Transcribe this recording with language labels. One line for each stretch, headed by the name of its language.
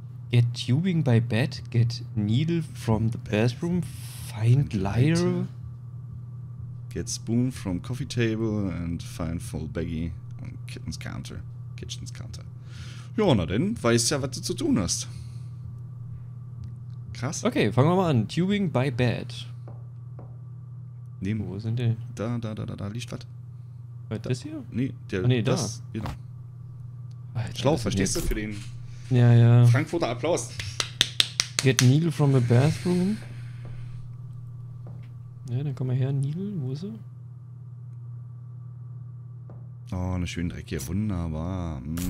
English: Get tubing by bed, get needle from the bathroom, find lighter. Get spoon from coffee table and find full baggy. und Kitchen's Counter. Kitchen's Counter.
German: Ja, na denn, weißt ja, was du zu tun hast. Krass. Okay, fangen wir mal an.
English: Tubing by bed.
German: Nehmen. Wo sind die? Da liegt was. Das hier? Nee, der, ach nee, das, da. Genau. Alter, schlau, verstehst du, für den ja. Frankfurter Applaus.
English: Get needle from a bathroom.
German: Ja, dann komm mal her, needle, wo ist er? Oh, eine schöne dreckige, wunderbar.